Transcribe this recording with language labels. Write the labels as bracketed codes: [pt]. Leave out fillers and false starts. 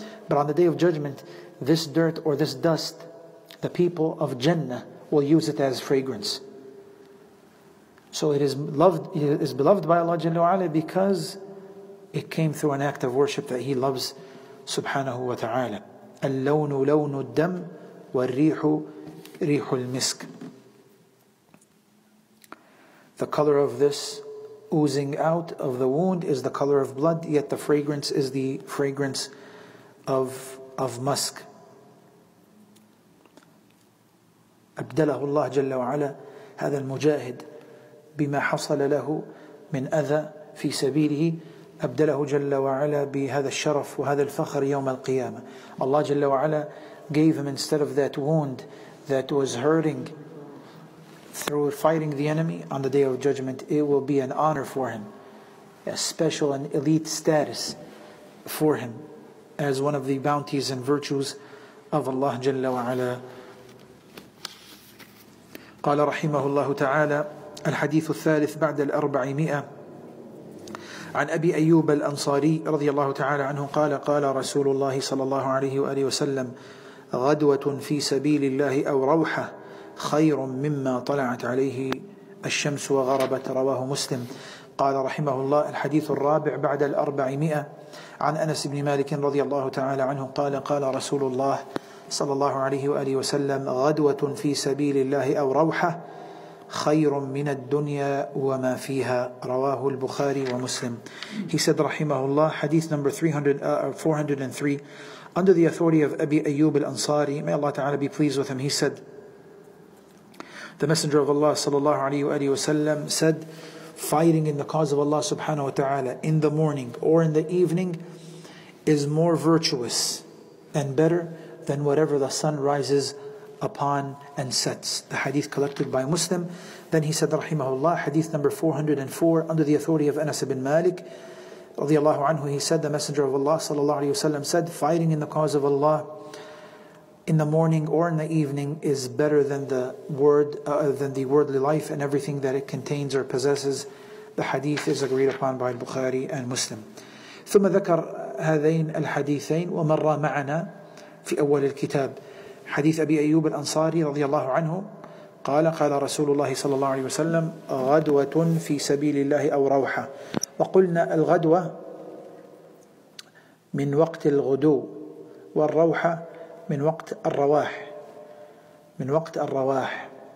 [en] But on the day of judgment, this dirt or this dust, the people of Jannah will use it as fragrance. So it is beloved by Allah [ar] Jalla wa'ala [en] because it came through an act of worship that He loves [ar] subhanahu wa ta'ala. اللون لون الدم والريح ريح المسك. [en] The color of this oozing out of the wound is the color of blood, yet the fragrance is the fragrance of musk. [ar] أبدله الله جل وعلا هذا المجاهد بما حصل له من أذى في سبيله، أبدله جل وعلا بهذا الشرف وهذا الفخر يوم القيامة. الله جل وعلا [en] gave him instead of that wound that was hurting through fighting the enemy on the day of judgment, it will be an honor for him, a special and elite status for him as one of the bounties and virtues of Allah [ar] Jalla wa Ala. قال رحمه الله تعالى الحديث الثالث بعد الأربعمائة عن أبي أيوب الأنصاري رضي الله تعالى عنه قال قال رسول الله صلى الله عليه وآله وسلم غدوة في سبيل الله أو روحة خير مما طلعت عليه الشمس وغربت. رواه مسلم. قال رحمه الله الحديث الرابع بعد الأربعمائة عن أنس بن مالك رضي الله تعالى عنه قال قال رسول الله صلى الله عليه وآله وسلم غدوة في سبيل الله أو روحة خير من الدنيا وما فيها. رواه البخاري ومسلم. [en] He said [ar] رحمه الله [en] حديث number 403 under the authority of Abi Ayyub al-Ansari, may Allah Ta'ala be pleased with him, he said the messenger of Allah [ar] صلى الله عليه وآله وسلم [en] said fighting in the cause of Allah [ar] subhanahu wa ta'ala [en] in the morning or in the evening is more virtuous and better than whatever the sun rises upon and sets. The hadith collected by Muslim. Then he said, rahimahullah, hadith number 404, under the authority of Anas ibn Malik, [ar] radiallahu anhu, [en] he said, the messenger of Allah [ar] sallallahu alayhi wa sallam [en] said, fighting in the cause of Allah in the morning or in the evening is better than the word than the worldly life and everything that it contains or possesses. The hadith is agreed upon by Bukhari and Muslim. [ar] ثم ذكر هذين الحديثين ومر معنا في أول الكتاب حديث أبي أيوب الأنصاري رضي الله عنه قال قال رسول الله صلى الله عليه وسلم غدوة في سبيل الله أو روحة. وقلنا الغدوة من وقت الغدو والروحة من وقت الرواح من وقت الرواح.